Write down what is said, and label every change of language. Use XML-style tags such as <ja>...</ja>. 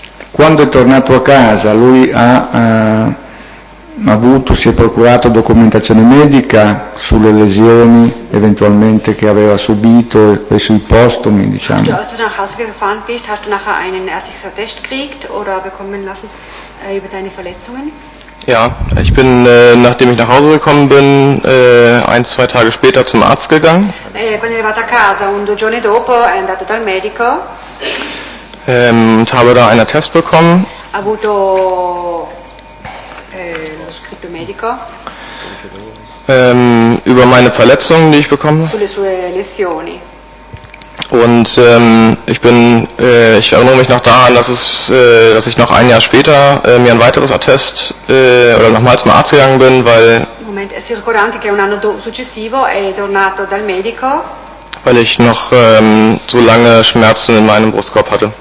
<it>Quando è tornato a casa, lui ha avuto, si è procurato documentazione medica sulle lesioni eventualmente che aveva subito e sui postumi, diciamo.</it> <de>Hast du nach Hause gefahren bist, hast du nachher einen ärztlichen Attest gekriegt oder bekommen lassen über deine Verletzungen? Ja, ich bin, nachdem ich nach Hause gekommen bin, 1-2 Tage später zum Arzt gegangen.</de> <it>Quando è arrivato a casa, 2 giorni dopo è andato dal medico.</it> <de>Und habe da einen Attest bekommen.</de> <it>Avuto lo scritto medico.</it> <de>Über meine Verletzungen, die ich bekommen habe.</de> <it>Sulle sue lesioni.</it> <de>Und ich erinnere mich noch daran, dass ich noch ein Jahr später mir ein weiteres Attest oder nochmals zum Arzt gegangen bin, weil. Moment,</de> <it>si ricorda anche che un anno successivo è tornato dal medico.</it> <de>Weil ich noch so lange Schmerzen in meinem Brustkorb hatte.</de>